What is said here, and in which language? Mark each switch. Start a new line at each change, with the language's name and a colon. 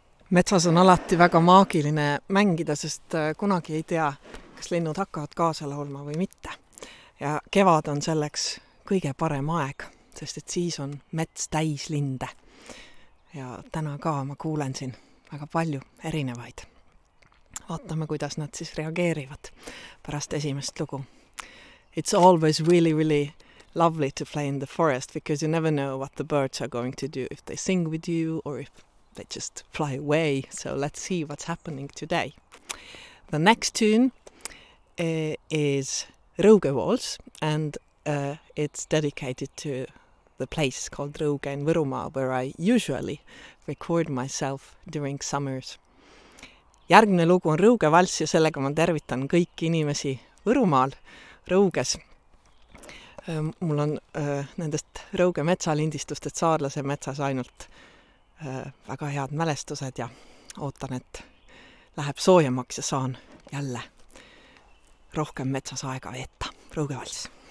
Estonian: Metsas on alati väga maagiline mängida, sest kunagi ei tea, kas linnud hakkavad kaasa laulma või mitte. Ja kevad on selleks kõige parem aeg, sest et siis on mets täis linde. Ja täna ka ma kuulen siin väga palju erinevaid. Vaatame, kuidas nad siis reageerivad pärast esimest lugu.
English: It's always really, really lovely to play in the forest because you never know what the birds are going to do, if they sing with you or if they just fly away. So let's see what's happening today. The next tune is Rõuge Walls, and it's dedicated to the place called Rõuge in Võrumaa, where I usually record myself during summers.
Estonian: Järgne lugu on Rõuge Vals ja sellega ma tervitan kõiki inimesi Võrumaal, Rõuges. Mul on nendest Rõuge metsalindistustest saarlase metsas ainult väga head mälestused ja ootan, et läheb soojemaks ja saan jälle rohkem metsas aega veeta. Rõuge Vals!